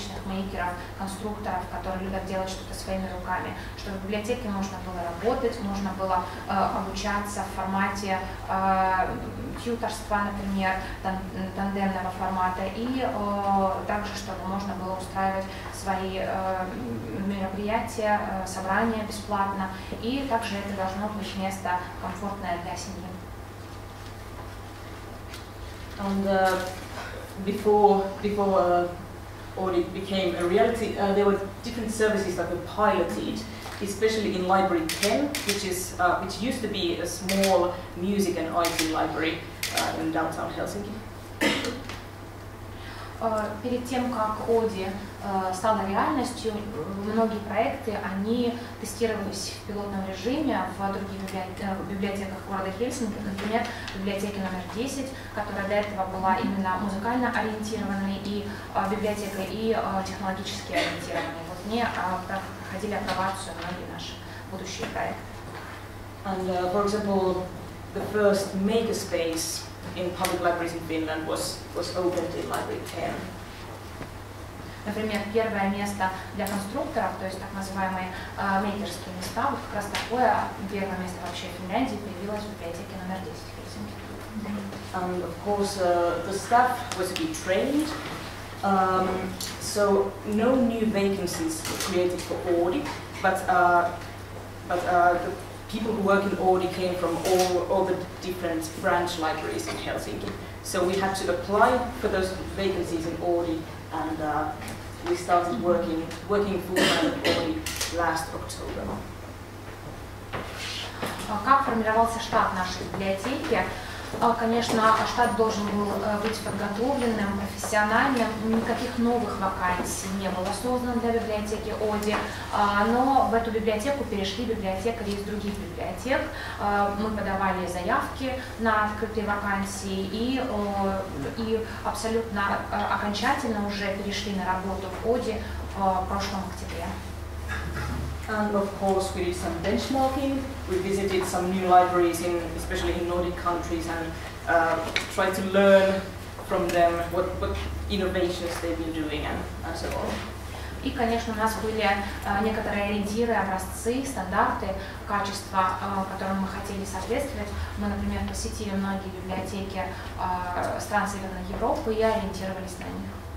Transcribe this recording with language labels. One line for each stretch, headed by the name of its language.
Russian: различных мейкеров, конструкторов, которые любят делать что-то своими руками, чтобы в библиотеке можно было работать, можно было обучаться в формате тьюторства, например, тандемного формата, и также, чтобы можно было устраивать свои мероприятия, собрания бесплатно, и также это должно быть место комфортное для семьи.
English: And before Oodi became a reality, there were different services that were piloted, especially in Library 10, which used to be a small music and IT library in downtown Helsinki.
Russian: Перед тем, как Oodi стала реальностью, многие проекты, они тестировались в пилотном режиме в других библиотеках города Хельсинки, например, в библиотеке номер 10, которая до этого была именно музыкально ориентированной и библиотекой, и технологически ориентированной. Вот в ней проходили апробацию многие наши будущие проекты.
English: And, for example, the first makerspace in public libraries in Finland was opened in Library 10.
Russian: Например, первое место для конструкторов, то есть так называемые мейкерские места, вот как раз такое первое место вообще в Финляндии появилось в библиотеке номер 10 в Хельсинки.
English: And of course, the staff was to be trained, so no new vacancies were created for Oodi, but the people who work in Oodi came from all the different branch libraries in Helsinki. So we had to apply for those vacancies in Oodi, and we started working full-time at Oodi last October.
Russian: Как формировался штат нашей библиотеки? Конечно, штат должен был быть подготовленным, профессиональным. Никаких новых вакансий не было создано для библиотеки Oodi. Но в эту библиотеку перешли библиотекари из других библиотек. Мы подавали заявки на открытые вакансии и абсолютно окончательно уже перешли на работу в Oodi в прошлом октябре.
English: And of course, we did some benchmarking. We visited some new libraries, especially in Nordic countries, and tried to learn from them what innovations they've been doing and so on.
Russian: И, конечно, у нас были некоторые ориентиры, образцы, стандарты качества, которым мы хотели соответствовать. Мы, например, посетили многие библиотеки стран Северной Европы и ориентировались на них.